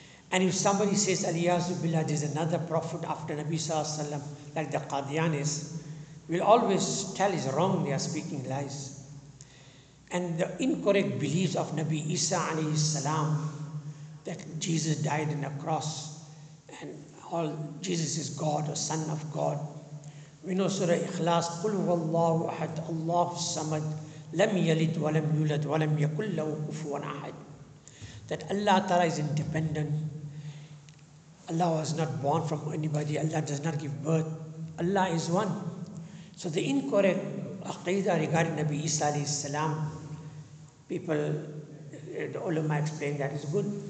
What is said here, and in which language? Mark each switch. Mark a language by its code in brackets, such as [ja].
[en] And if somebody says, Aliyazu billah, there's another prophet after Nabi sallallahu alayhi wa sallam, like the Qadianis, we'll always tell is wrong, they are speaking lies. And the incorrect beliefs of Nabi Isa alayhi salam, that Jesus died on a cross, and all Jesus is God, or Son of God. We know Surah Ikhlas, [ar] قُلْ وَاللَّهُ أَحَدْ اللَّهُ الصَّمَدْ لَمْ يَلِدْ وَلَمْ يُولَدْ وَلَمْ يَكُلْ لَهُ كُفُوًا أَحَدْ. [en] That Allah Ta'ala is independent. Allah was not born from anybody. Allah does not give birth. Allah is one. So the incorrect aqidah regarding Nabi Isa alayhi salam, people, the ulama explained that is good.